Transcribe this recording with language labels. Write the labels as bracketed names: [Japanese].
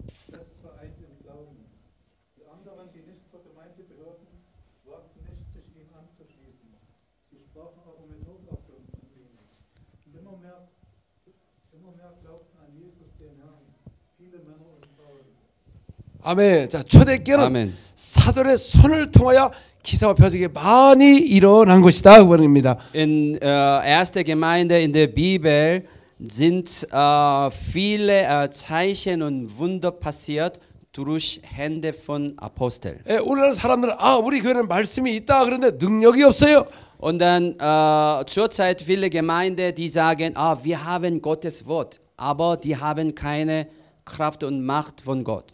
[German] Das vereint im Glauben. Die anderen, die nicht zur Gemeinde gehörten, wagten nicht, sich ihm anzuschließen. Sie sprachen aber mit Hochachtung von ihm. Und immer mehr glaubten an Jesus, den Herrn, viele Männer und Frauen. Amen. [Korean] 자, 초대교회는 Amen. 사도의 손을 통하여 기사와 표적이 많이 일어난 것이다 그 말입니다. [German] In erste Gemeinde in der Bibel sind viele Zeichen und Wunder passiert durch Hände von Apostel. [Korean] 예, 오늘날 사람들은 아, 우리 교회는 말씀이 있다 그런데 능력이 없어요. [German] Und dann zurzeit viele Gemeinde die sagen, ah, wir haben Gottes Wort, aber die haben keine Kraft und Macht von Gott.